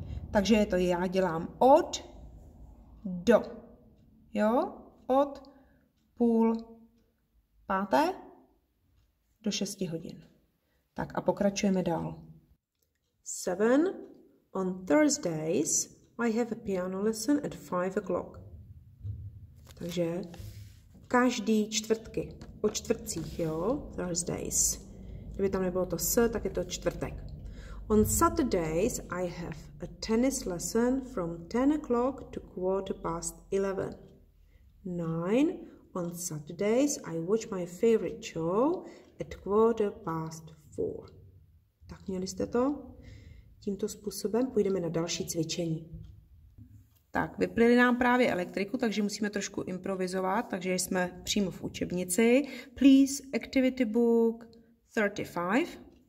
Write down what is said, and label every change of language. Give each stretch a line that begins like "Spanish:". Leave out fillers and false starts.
Czech: Takže je to, já dělám od do, jo, od 4:30 do 6 hodin. Tak a pokračujeme dál.
English: 7, on Thursdays I have a piano lesson at 5 o'clock.
Czech: Takže každý čtvrtky, o čtvrtcích, jo, Thursdays. Kdyby tam nebylo to s, tak je to čtvrtek.
English: On Saturdays I have a tennis lesson from 10 o'clock to 11:15. 9. On Saturdays I watch my favorite show at 4:15.
Czech: Tak měli jste to? Tímto způsobem půjdeme na další cvičení. Tak, vyplili nám právě elektriku, takže musíme trošku improvizovat, takže jsme přímo v učebnici.
English: Please, activity book 35.